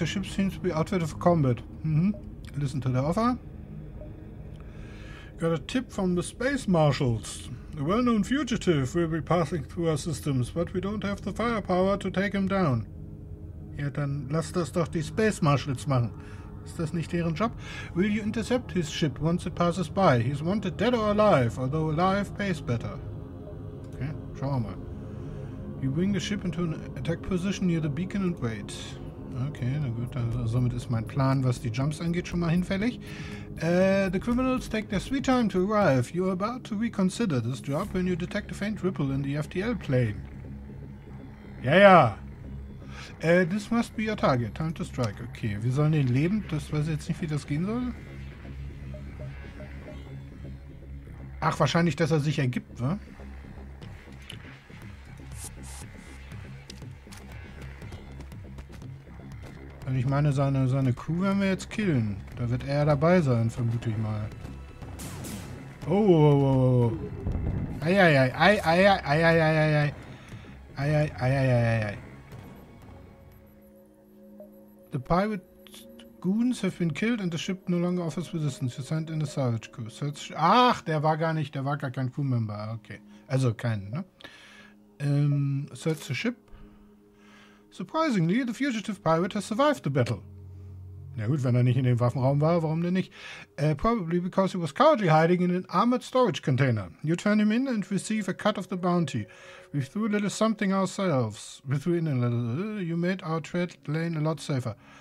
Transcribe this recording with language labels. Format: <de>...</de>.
<en>Your ship seems to be outfitted for combat. Listen to the offer. Got a tip from the space marshals. A well-known fugitive will be passing through our systems, but we don't have the firepower to take him down.</en> <de>Ja, dann lass das doch die Space Marshals machen. Ist das nicht deren Job?</de> <en>Will you intercept his ship once it passes by? He's wanted dead or alive, although alive pays better. Okay,</en> <de>schauen wir mal.</de> <en>You bring the ship into an attack position near the beacon and wait.</en> <de>Okay, na gut, also somit ist mein Plan, was die Jumps angeht, schon mal hinfällig.</de> <en>The criminals take their sweet time to arrive. You are about to reconsider this job when you detect a faint ripple in the FTL plane. Ja, ja. This must be your target. Time to strike.</en> <de>Okay, wir sollen den lebend, das weiß ich jetzt nicht, wie das gehen soll. Ach, wahrscheinlich, dass er sich ergibt, wa? Und ich meine, seine Crew werden wir jetzt killen. Da wird er dabei sein, vermute ich mal. Oh, oh, oh, oh. Ei.</de> <en>The pirate goons have been killed and the ship no longer offers resistance. You sent in a salvage crew.</en> <de>Search. Ach, der war gar kein Crewmember. Okay. Also kein, ne?</de> <en>Search the ship. Surprisingly, the fugitive pirate has survived the battle.</en> <de>Na gut, wenn er nicht in dem Waffenraum war, warum denn nicht?</de> <en>Probably because he was cowardly hiding in an armored storage container. You turn him in and receive a cut of the bounty. We threw a little something ourselves. We threw in a little. You made our trade lane a lot safer.</en>